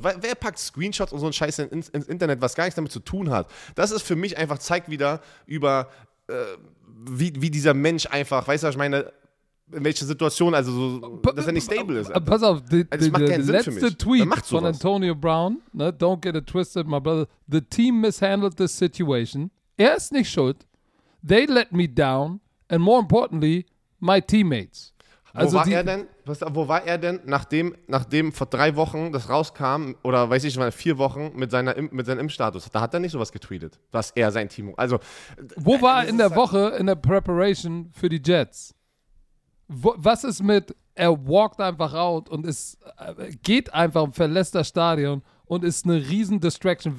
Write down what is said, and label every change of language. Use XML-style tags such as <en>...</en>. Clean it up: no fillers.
<de>Wer packt Screenshots und so einen Scheiß ins Internet, was gar nichts damit zu tun hat? Das ist für mich einfach, zeigt wieder über, wie dieser Mensch einfach, weißt du, was ich meine, in welcher Situation, also so, dass er nicht stable ist. Alter. Pass auf, der letzte Tweet von Antonio Brown, ne?</de> <en>Don't get it twisted, my brother. The team mishandled this situation.</en> <de>Er ist nicht schuld.</de> <en>They let me down. And more importantly, my teammates.</en> <de>Also wo war er denn, nachdem vor drei Wochen das rauskam, oder weiß ich mal, vier Wochen mit seinem Impfstatus? Da hat er nicht sowas getweetet, dass er sein Team. Also, wo war er in der Woche in der Preparation für die Jets? Was ist mit, er walkt einfach out und es geht einfach und verlässt das Stadion und ist eine riesen Distraction.</de>